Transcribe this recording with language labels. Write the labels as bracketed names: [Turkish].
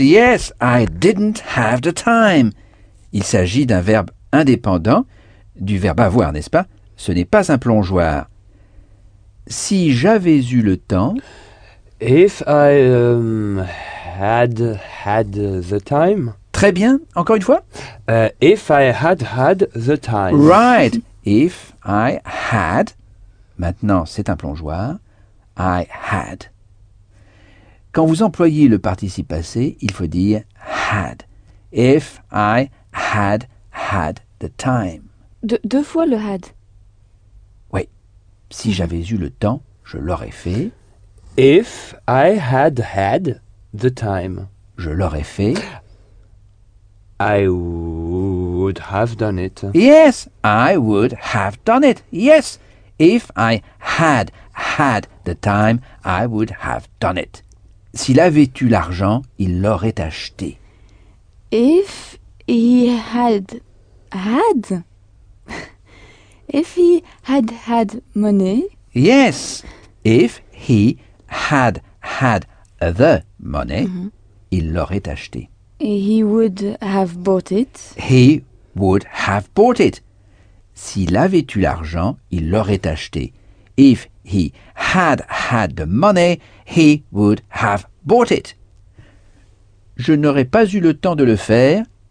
[English] Yes, I didn't have the time. [French] Il s'agit d'un verbe indépendant du verbe avoir, n'est-ce pas? Ce n'est pas un plongeoir. Si j'avais eu le temps. [English] If I had the time. [French] Très bien, encore une fois. [English] If I had the time. Right. If I had. [French] Maintenant, c'est un plongeoir. [English] I had. [French] Quand vous employez le participe passé, il faut dire had. [English] If I had the time. [French] Deux fois le had. Oui. Si j'avais eu le temps, je l'aurais fait. [English] If I had the time. [French] Je l'aurais fait. [English] I would have done it. Yes, I would have done it. Yes, if I had the time, I would have done it. [French] S'il avait eu l'argent, il l'aurait acheté. [English] If he had if he had money. Yes, if he had the money, [French] il l'aurait acheté. [English] He would have bought it. He would have bought it. [French] S'il avait eu l'argent, il l'aurait acheté. [English] If he had the money, he would have bought it. [French] Je n'aurais pas eu le temps de le faire.